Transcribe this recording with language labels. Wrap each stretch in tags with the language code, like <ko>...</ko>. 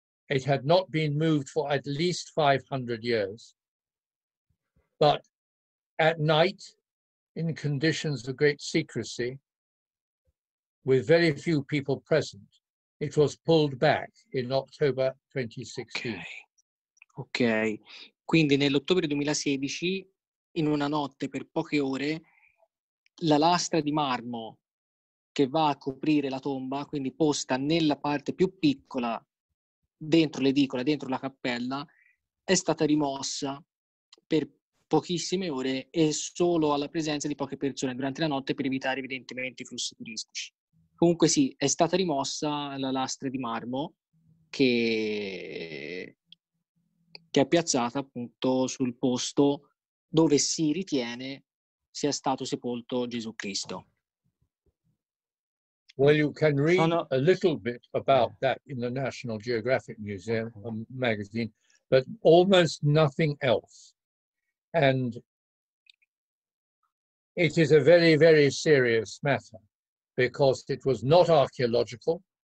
<en>It had not been moved for at least 500 years. But at night, in conditions of great secrecy, with very few people present, it was pulled back in October 2016. Okay.</en> <it>Quindi nell'ottobre 2016, in una notte per poche ore, la lastra di marmo che va a coprire la tomba, quindi posta nella parte più piccola dentro l'edicola, dentro la cappella, è stata rimossa per pochissime ore e solo alla presenza di poche persone durante la notte per evitare evidentemente i flussi turistici. Comunque sì, è stata rimossa la lastra di marmo che è piazzata appunto sul posto dove si ritiene sia stato sepolto Gesù Cristo.</it> <en>Well, you can read a little bit about that in the National Geographic Museum magazine, but almost nothing else. And it is a very, very serious matter because it was not archaeological.</en>